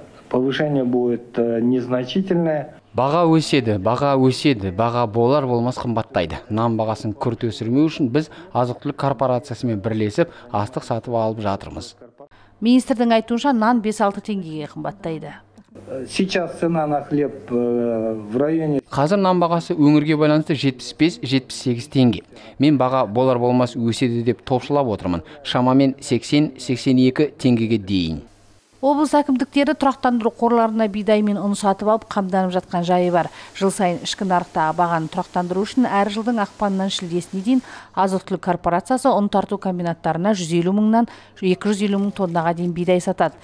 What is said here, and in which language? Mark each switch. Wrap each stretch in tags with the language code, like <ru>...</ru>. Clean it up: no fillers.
<ru>Повышение будет незначительное.</ru> <kk>Баға өседі, баға өседі, баға болар болмас қымбаттайды. Нан бағасын күрт өсірмеу үшін біз азық-түлік корпорациясымен бірлесіп астық сатып алып жатырмыз. Министрдің айтуынша нан 5-6 теңгеге қымбаттайды.</kk> <ru>Сейчас цена на хлеб в районе.</ru> <kk>Қазір нан бағасы өңірге байланысты 75-78 теңге. Мен баға болар болмас өседі деп топшылап отырмын. Шамамен 80-82 теңгеге дейін. Облыс әкімдіктері тұрақтандыру қорларына бидай мен ұн сатып алып қамданып жатқан жайы бар. Жыл сайын ішкі нарықта бағаны тұрақтандыру үшін әр жылдың ақпанынан шілдесіне дейін азық-түлік корпорациясы ұн тарту комбинаттарына 150 мыңнан 250 мың тоннаға дейін бидай сатады.</kk>